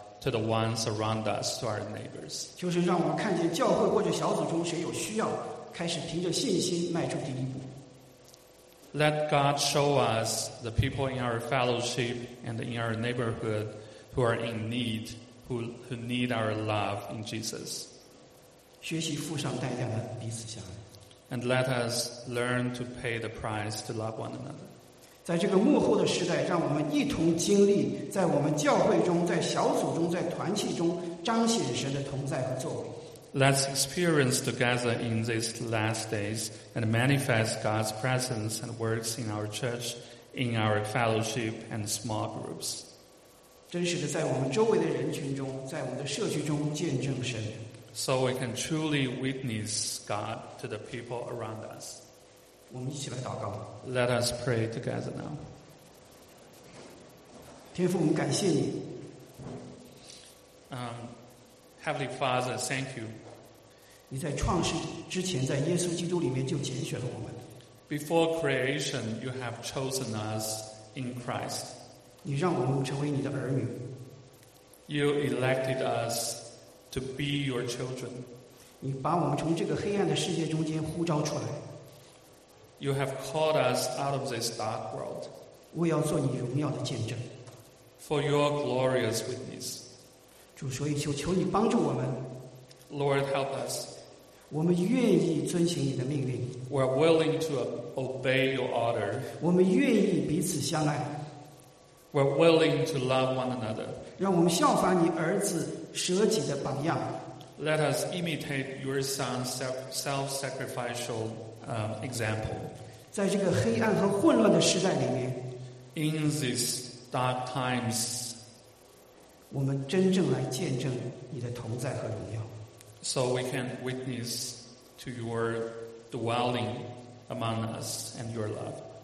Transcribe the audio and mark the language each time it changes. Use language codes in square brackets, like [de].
[en] to the ones around us, to our neighbors. [zh] 就是让我们看见教会或者小组中谁有需要，开始凭着信心迈出第一步。 [en] Let God show us the people in our fellowship and in our neighborhood who are in need, who need our love in Jesus. [zh] 学习付上代价的彼此相爱。 [en] And let us learn to pay the price to love one another. [zh] 在这个幕后的时代，让我们一同经历，在我们教会中，在小组中，在团契中，彰显神的同在和作为。 [en] Let's experience together in these last days and manifest God's presence and works in our church, in our fellowship and small groups. [zh] 真实的在我们周围的人群中，在我们的社区中见证神。 [en] So we can truly witness God to the people around us. [zh] 我们一起来祷告。 [en] Let us pray together now. [zh] 天父，我们感谢你。 [en] Heavenly Father, thank you. [zh] 你在创世之前，在耶稣基督里面就拣选了我们。 [en] Before creation, you have chosen us in Christ. [zh] 你让我们成为你的儿女。 [en] You elected us to be your children. [zh] 你把我们从这个黑暗的世界中间呼召出来。 [en] You have called us out of this dark world. [zh] 我要做你荣耀的见证。 [en] For your glorious witness. [zh] 主，所以求你帮助我们。 [en] Lord, help us. [zh] 我们愿意遵行你的命令。 [en] We are willing to obey your order. [zh] 我们愿意彼此相爱。 [en] We are willing to love one another. [zh] 让我们效法你儿子舍己的榜样。 [en] Let us imitate your son's self-sacrificial example. [zh] 在这个黑暗和混乱的时代里面。 [en] In these dark times. [zh] 我们真正来见证你的同在和荣耀。 [en] So we can witness to your dwelling among us and your love.